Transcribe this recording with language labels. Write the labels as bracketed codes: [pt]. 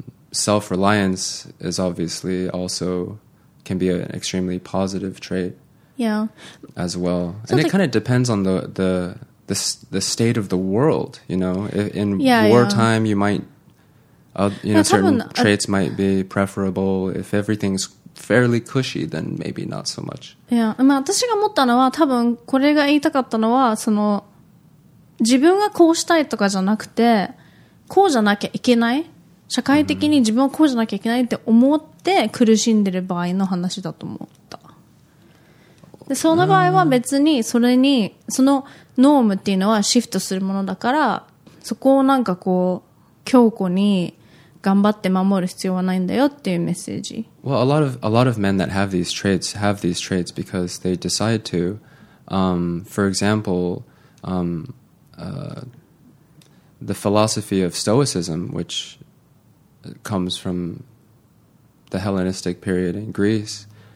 [en] Self-reliance is obviously also can be an extremely positive trait. Yeah. As well. So, and it kind of depends on the state of the world, you know. In wartime, you might, you know, certain traits might be preferable. If everything's fairly cushy, then maybe not so much. Yeah. [ja] まあ、私が思ったのは、多分これが言いたかったのは、その、自分がこうしたいとかじゃなくて、こうじゃなきゃいけない。社会的に自分はこうじゃなきゃいけないって思って苦しんでる場合の話だと思った。で、その場合は別にそれに、そのノームっていうのはシフトするものだから、そこをなんかこう、強固に頑張って守る必要はないんだよっていうメッセージ。 [en] Well, a lot of men that have these traits because they decide to, for example, the philosophy of Stoicism, which comes from the Hellenistic period in Greece.